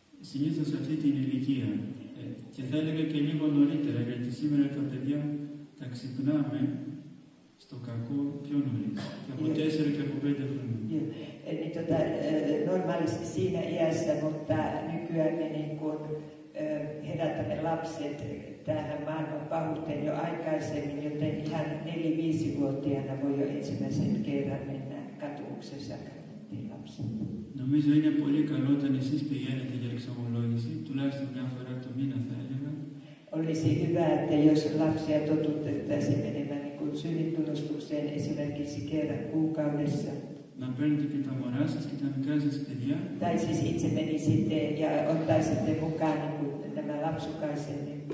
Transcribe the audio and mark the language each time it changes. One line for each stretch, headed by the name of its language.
Greek: Συνήθως αυτή την ηλικία και θα έλεγα και λίγο νωρίτερα γιατί σήμερα τα παιδιά τα ξυπνάμε στο κακό πιο νωρίς, και από 4 και από 5 χρόνια.
Finnish: Niin normaalisti siinä iässä, mutta nykyään niin kun herätämme lapset tähän maailman pahuuteen jo aikaisemmin, joten ihan 4-5-vuotiaana voi jo ensimmäisen kerran mennä katumuksen sakramenttiin lapset.
Greek: Νομίζω είναι πολύ καλό όταν εσείς πηγαίνετε για εξομολόγηση, τουλάχιστον μια φορά το μήνα θα έλεγα.
Finnish: Olisi hyvä, että jos lapsia totutettaisiin menemään niin kuin synnintunnustukseen esimerkiksi kerran kuukaudessa.
Greek: Να παίρνετε και τα μωρά σας και τα μικρά σας παιδιά.
Finnish: Tai siis itse menisitte ja ottaisitte mukaan niin kuin tämä lapsukaisenne.